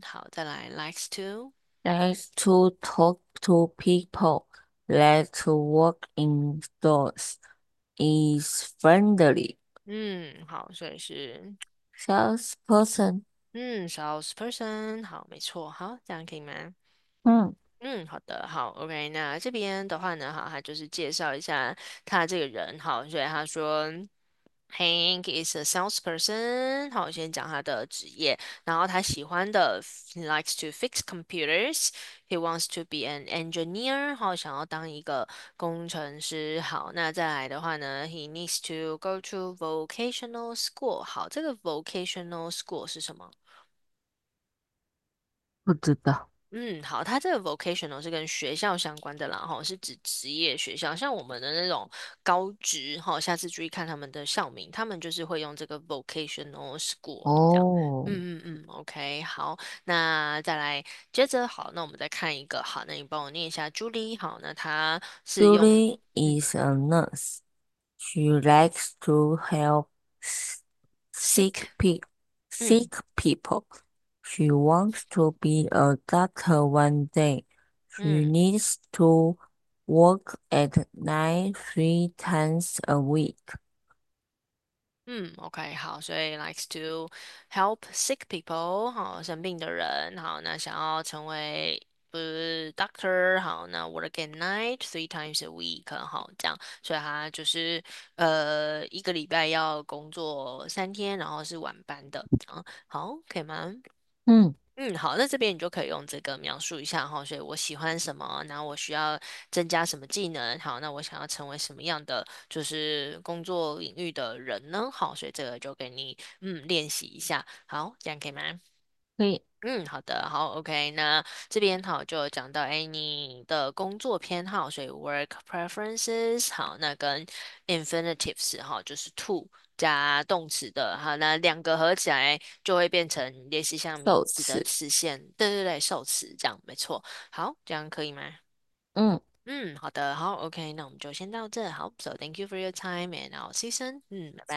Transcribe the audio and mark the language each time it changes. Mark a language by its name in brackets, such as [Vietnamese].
[Chinese] 好，再来，likes to。 [English] Likes to talk to people, likes to work in stores, is friendly. [Chinese] 好，所以是 [English] Salesperson. [Chinese] salesperson，好，没错，好，这样可以吗？嗯。好的，好，OK，那这边的话呢，好，他就是介绍一下他这个人，好，所以他说。 [English] Hank is a salesperson。 [Chinese] 好，我先讲他的职业。然后他喜欢的， [English] he likes to fix computers。 He wants to be an engineer。 [Chinese] 好，想要当一个工程师。好，那再来的话呢， [English] he needs to go to vocational school。 [Chinese] 好，这个 vocational school 是什么？不知道。好，它这个 vocational 是跟学校相关的啦，是指职业学校，像我们的那种高职，下次注意看他们的校名，他们就是会用这个 vocational school 这样，哦。 OK，好，那再来接着，好，那我们再看一个，好，那你帮我念一下 Julie，好，那他是用， [English] Julie is a nurse. She likes to help sick， sick people. She wants to be a doctor one day. She needs to work at night 3 times a week. [Chinese] OK，好，所以 [English] likes to help sick people， [Chinese] 生病的人，那想要成为doctor，那 [English] work at night 3 times a week， [Chinese] 这样，所以他就是一个礼拜要工作3天，然后是晚班的，好，可以吗？好，那这边你就可以用这个描述一下所以我喜欢什么，然后我需要增加什么技能，好，那我想要成为什么样的就是工作领域的人呢？所以这个就给你练习一下，好，这样可以吗？可以。好的，好，OK，那这边就讲到你的工作偏好，所以 work preferences，好，那跟 infinitives 就是 to 加动词的，好，那两个合起来就会变成类似像名受词的词，词线，对，受词这样，没错，好，这样可以吗？好的，好，OK，那我们就先到这，好， [English] So thank you for your time and I'll see you soon， [Chinese] 拜